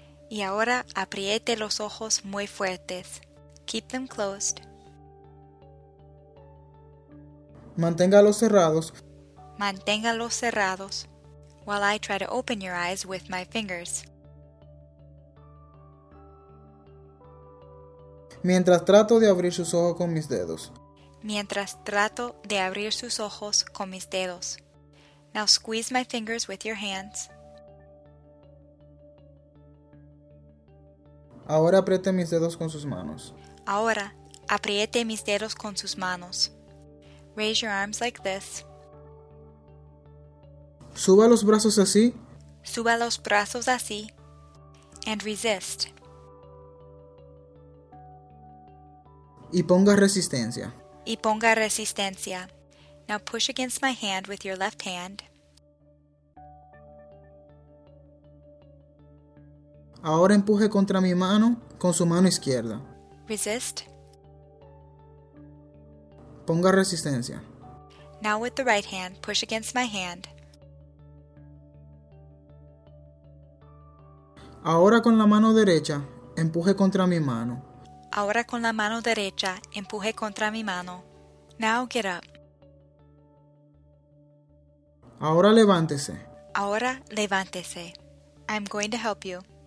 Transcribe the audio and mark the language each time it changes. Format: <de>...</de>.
<es>Y ahora apriete los ojos muy fuertes.</es> <en>Keep them closed.</en> <es>Manténgalos cerrados. Manténgalos cerrados.</es> <en>While I try to open your eyes with my fingers.</en> <es>Mientras trato de abrir sus ojos con mis dedos. Mientras trato de abrir sus ojos con mis dedos.</es> <en>Now squeeze my fingers with your hands.</en> <es>Ahora apriete mis dedos con sus manos. Ahora apriete mis dedos con sus manos.</es> <en>Raise your arms like this.</en> <es>Suba los brazos así. Suba los brazos así.</es> <en>And resist.</en> <es>Y ponga resistencia. Y ponga resistencia.</es> <en>Now push against my hand with your left hand.</en> <es>Ahora empuje contra mi mano con su mano izquierda.</es> <en>Resist.</en> <es>Ponga resistencia.</es> <en>Now with the right hand, push against my hand.</en> <es>Ahora con la mano derecha, empuje contra mi mano. Ahora con la mano derecha, empuje contra mi mano.</es> <en>Now get up.</en> <es>Ahora levántese. Ahora levántese.</es> <en>I'm going to help you.</en>